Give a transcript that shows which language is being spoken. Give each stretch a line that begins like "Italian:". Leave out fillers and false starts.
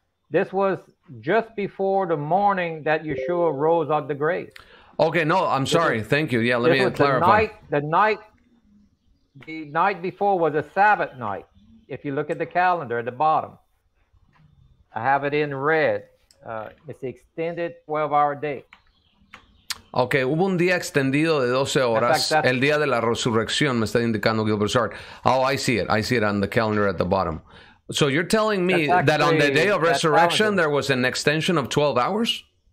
English: This was just before the morning that Yeshua rose out of the grave. Okay, no, I'm sorry. Was, thank you. Yeah, let me clarify. The night before was a Sabbath night. If you look at the calendar at the bottom, I have it in red. It's the extended 12-hour day.
Spanish: Okay, hubo un día extendido de 12 horas, el día de la resurrección, me está indicando Gilbert Sartre.
English: Oh, I see it. I see it on the calendar at the bottom. So you're telling me that on the day of resurrection, there was an extension of 12 hours?